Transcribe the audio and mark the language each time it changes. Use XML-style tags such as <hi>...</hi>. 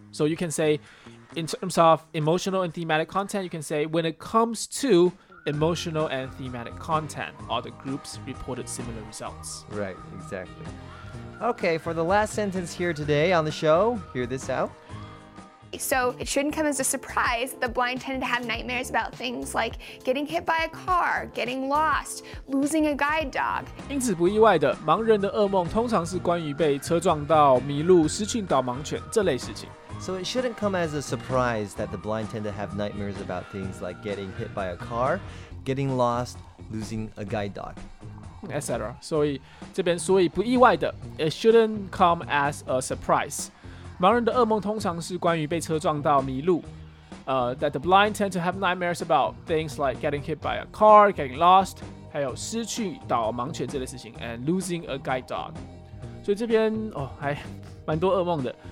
<en>So you can say in terms of emotional and thematic content, you can say when it comes toEmotional and thematic content, all the groups reported similar results. Right, exactly. Okay, for the last sentence here today on the show, hear this out. So it shouldn't come as a surprise that the blind tend to have nightmares about things like getting hit by a car, getting lost, losing a guide dog.</en> <zh>因此不意外的，盲人的噩梦通常是关于被车撞到、迷路、失去导盲犬这类事情。</zh> <en>So it shouldn't come as a surprise that the blind tend to have nightmares about things like getting hit by a car, getting lost, losing a guide dog, etc.</en> <zh>所以不意外的</zh> <en>it shouldn't come as a surprise.</en> <zh>盲人的噩梦通常是关于被车撞到迷路。</zh> <en>That the blind tend to have nightmares about things like getting hit by a car, getting lost,</en> <zh>还有失去导盲犬这类事情</zh> <en>and losing a guide dog.</en> <zh>所以这边还蛮多噩梦的。</zh>